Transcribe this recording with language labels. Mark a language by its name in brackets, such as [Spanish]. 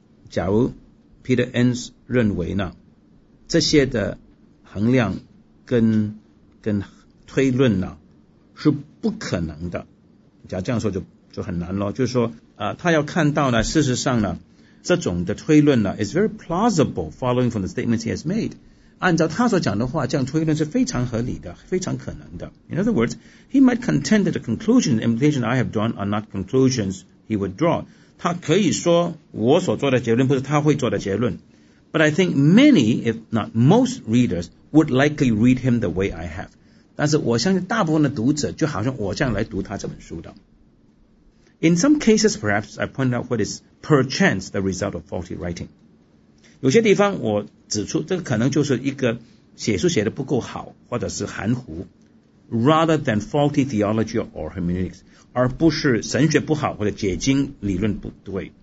[Chinese] 假如 Peter Enns 认为呢，这些的衡量跟推论呢是不可能的，假如这样说就很难咯，就是说他要看到呢，事实上呢，这种的推论呢 [English] is very plausible following from the statements he has made。 [Chinese] 按照他所讲的话，这样推论是非常合理的，非常可能的。 [English] In other words, he might contend that the conclusion and implication I have drawn are not conclusions he would draw. [Chinese] 他可以说我所做的结论不是他会做的结论。 [English] But I think many, if not most readers, would likely read him the way I have. [Chinese] 但是我相信大部分的读者就好像我这样来读他这本书的。 [English] In some cases, perhaps, I point out what is perchance the result of faulty writing. [Chinese] 有些地方我指出这个可能就是一个写书写得不够好或者是含糊 [English] rather than faulty theology or hermeneutics, [Chinese] 而不是神学不好或者解经理论不对。